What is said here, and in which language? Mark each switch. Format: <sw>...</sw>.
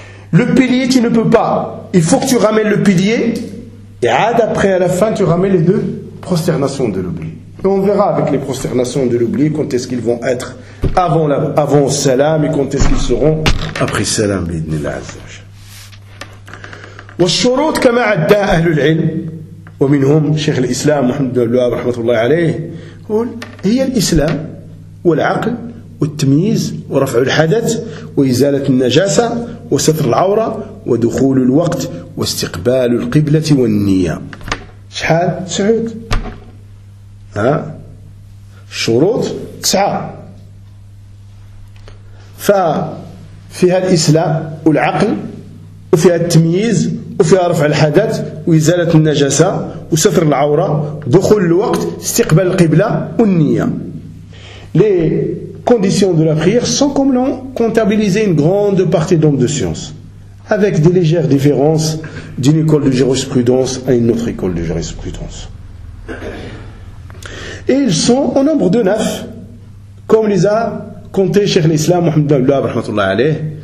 <fr>Le pilier, tu ne peux pas. Il faut que tu ramènes le pilier et après, à la fin, tu ramènes les deux prosternations de l'oubli. Et on verra avec les prosternations de l'oubli quand est-ce qu'ils vont être avant salam et quand est-ce qu'ils seront après salam.</fr> <ar>والشروط كما عدا أهل العلم ومنهم شيخ الإسلام محمد بن عبد رحمة الله عليه يقول هي الإسلام والعقل والتمييز ورفع الحدث وإزالة النجاسة وستر العورة ودخول الوقت واستقبال القبلة والنية. شحال سعود الشروط تسعة. ففيها الإسلام والعقل وفيها التمييز وفيها رفع الحدث وإزالة النجاسة وستر العورة دخول الوقت استقبال القبلة والنية.</ar> <fr>Les conditions de la prière sont comme l'ont comptabilisé une grande partie d'hommes de science, avec des légères différences d'une école de jurisprudence à une autre école de jurisprudence. Et ils sont au nombre de neuf, comme les a compté Cheikh l'Islam Mohamed Abdel Wahab rahmatullah alayh.</fr>